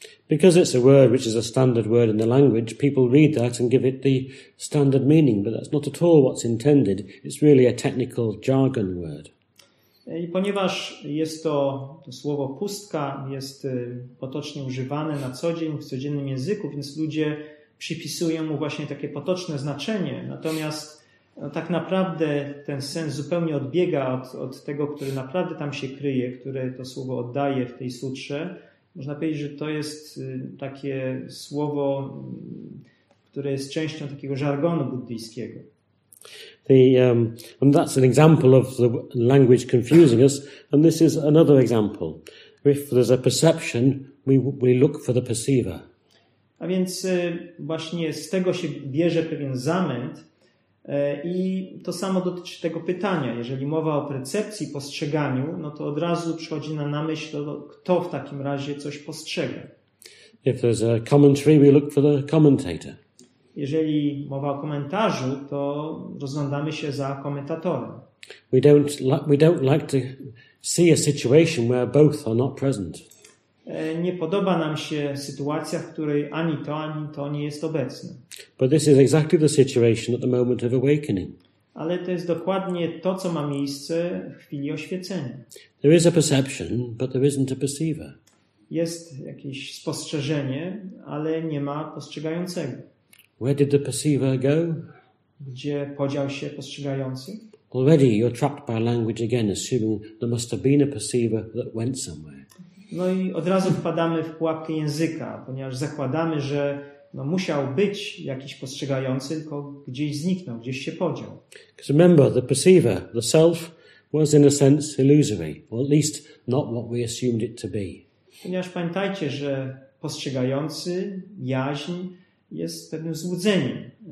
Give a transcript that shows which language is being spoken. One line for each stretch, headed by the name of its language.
English: Because it's a word which is a standard word in the language, people read that and give it the standard meaning, but that's not at all what's intended. It's really a technical jargon word.
Polish: I ponieważ jest to słowo pustka, jest potocznie używane na co dzień, w codziennym języku, więc ludzie przypisują mu właśnie takie potoczne znaczenie. Natomiast no, tak naprawdę ten sens zupełnie odbiega od tego, który naprawdę tam się kryje, które to słowo oddaje w tej sutrze. Można powiedzieć, że to jest takie słowo, które jest częścią takiego żargonu buddyjskiego.
English: And that's an example of the language confusing us, and this is another example. If there's a perception, we look for the perceiver.
Polish: A więc właśnie z tego się bierze pewien zamęt i to samo dotyczy tego pytania. Jeżeli mowa o percepcji, postrzeganiu, no to od razu przychodzi na myśl, kto w takim razie coś postrzega.
English: If there's a commentary, we look for the commentator.
Polish: Jeżeli mowa o komentarzu, to rozglądamy się za komentatorem.
English: We don't like to see a situation where both are not present.
Polish: Nie podoba nam się sytuacja, w której ani to nie jest obecne.
English: But this is exactly the situation at the moment of awakening.
Polish: Ale to jest dokładnie to, co ma miejsce w chwili oświecenia.
English: There is a perception, but there isn't a perceiver.
Polish: Jest jakieś spostrzeżenie, ale nie ma postrzegającego.
English: Where did the perceiver go?
Polish: Gdzie podział się postrzegający?
English: Already you're trapped by language again, assuming there must have been a perceiver that went somewhere.
Polish: No i od razu wpadamy w pułapkę języka, ponieważ zakładamy, że no, musiał być jakiś postrzegający, tylko gdzieś zniknął, gdzieś się podział.
English: Because remember, the perceiver, the self, was in a sense illusory, or at least not what we assumed it to be.
Polish: Ponieważ pamiętajcie, że postrzegający, jaźń, jest pewnym złudzeniem.